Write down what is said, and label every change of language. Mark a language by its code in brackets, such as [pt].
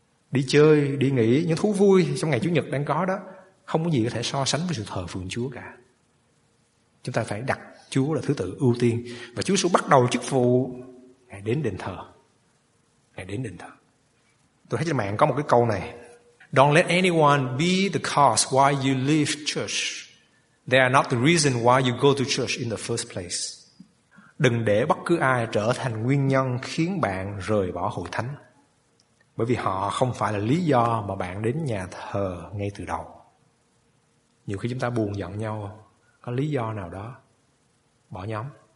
[vi] Đi chơi, đi nghỉ, những thú vui trong ngày Chủ nhật đang có đó, không có gì có thể so sánh với sự thờ phượng Chúa cả. Chúng ta phải đặt Chúa là thứ tự ưu tiên. Và Chúa sẽ bắt đầu chức vụ Ngài đến đền thờ. Ngài đến đền thờ. Tôi thấy trên mạng có một cái câu này: [en] Don't let anyone be the cause why you leave church. They are not the reason why you go to church in the first place. [vi] Đừng để bất cứ ai trở thành nguyên nhân khiến bạn rời bỏ hội thánh, bởi vì họ không phải là lý do mà bạn đến nhà thờ ngay từ đầu. Nhiều khi chúng ta buồn giận nhau, có lý do nào đó bỏ nhóm.